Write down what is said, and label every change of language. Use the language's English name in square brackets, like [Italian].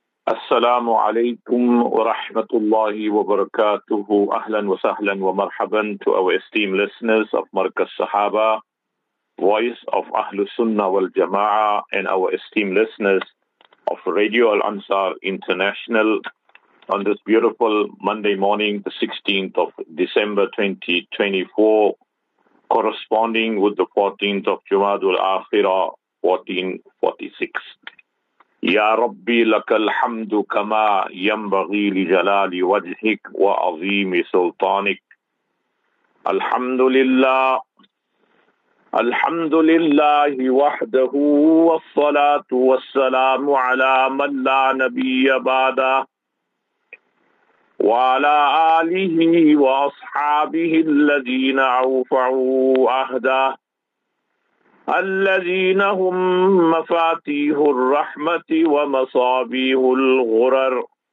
[Arabic] السلام عليكم ورحمة الله وبركاته. أهلا وسهلا ومرحبا [English] to our esteemed listeners of Markaz Sahaba, voice of أهل السنة والجماعة, and our esteemed listeners of Radio Al Ansar International on this beautiful Monday morning, the 16th of December 2024, corresponding with the 14th of Jumadul Akhira, 1446. [Arabic] يا ربي لك الحمد كما ينبغي لجلال وجهك وعظيم سلطانك. الحمد لله الحمد لله وحده والصلاة والسلام على من لا نبي بعده وعلى آله وأصحابه الذين أوفعوا عهده الذين هم مفاتيح الرحمة ومصابيح الغرر.